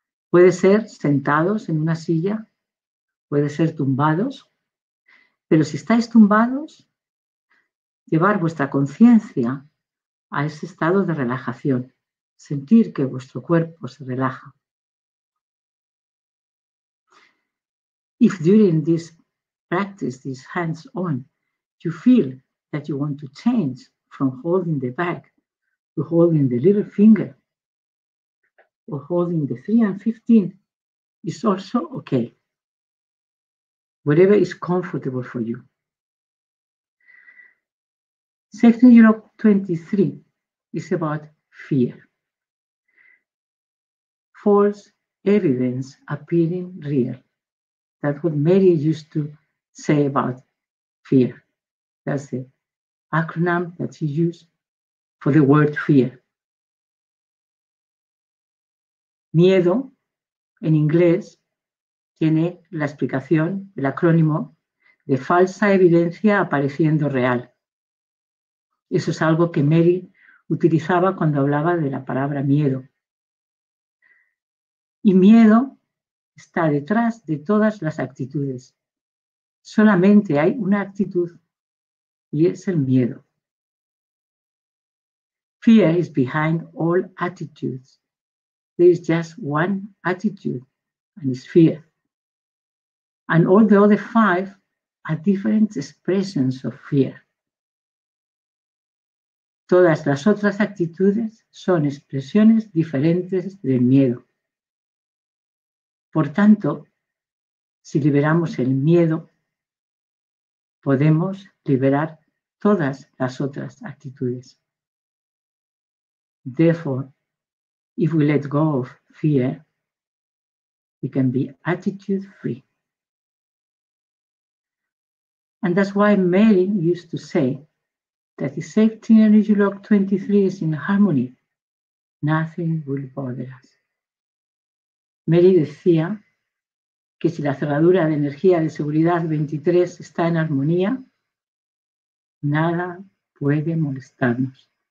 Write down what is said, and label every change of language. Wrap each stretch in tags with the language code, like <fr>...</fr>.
<es>Puede ser sentados en una silla, puede ser tumbados, pero si estáis tumbados, llevar vuestra conciencia a ese estado de relajación, sentir que vuestro cuerpo se relaja.</es> <en>If during this practice, this hands-on, you feel that you want to change from holding the back to holding the little finger, or holding the 3 and 15 is also okay. Whatever is comfortable for you. Safety Europe 23 is about fear. False evidence appearing real. That's what Mary used to say about fear. That's the acronym that she used for the word fear.</en> <es>Miedo, en inglés, tiene la explicación, el acrónimo, de falsa evidencia apareciendo real. Eso es algo que Mary utilizaba cuando hablaba de la palabra miedo. Y miedo está detrás de todas las actitudes. Solamente hay una actitud y es el miedo.</es> <en>Fear is behind all attitudes. There is just one attitude, and it's fear. And all the other five are different expressions of fear.</en> <es>Todas las otras actitudes son expresiones diferentes del miedo. Por tanto, si liberamos el miedo, podemos liberar todas las otras actitudes.</es> <en>Therefore, If we let go of fear, we can be attitude free. And that's why Mary used to say that the safety energy lock 23 is in harmony. Nothing will bother us.</en> <es>Mary decía que si la cerradura de energía de seguridad 23 está en armonía, nada puede molestarnos.</es>